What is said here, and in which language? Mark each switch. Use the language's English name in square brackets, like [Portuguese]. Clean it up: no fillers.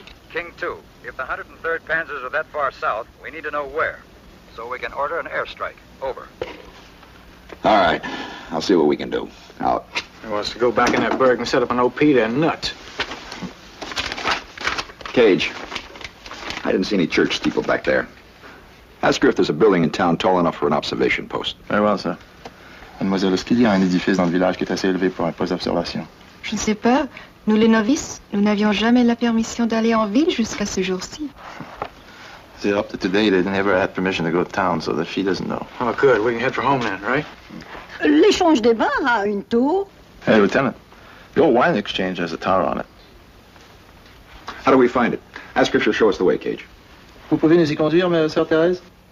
[English] King 2, if the 103rd Panzers are that far south, we need to know where, so we can order an airstrike. Over. All right. I'll see what we can do. Out. He wants to go back in that burg and set up an OP, then nut. Cage, I didn't see any church steeple back there. Ask her if there's a building in town tall enough for an observation post. Very well, sir. [French] Mademoiselle, est-ce qu'il y a un édifice dans le village qui est assez élevé pour un poste d'observation? Je ne sais pas. Nous, les novices, nous n'avions jamais la permission d'aller en ville jusqu'à ce jour-ci. [English] See, up to today, they never had permission to go to town, so the fee doesn't know. Oh, good. We can head for home then, right? [French] L'échange des bains a une tour. [English] Hey, Lieutenant, your wine exchange has a tower on it. How do we find it? Ask if she'll show us the way, Cage. [French] Vous pouvez nous y conduire, ma sœur Thérèse?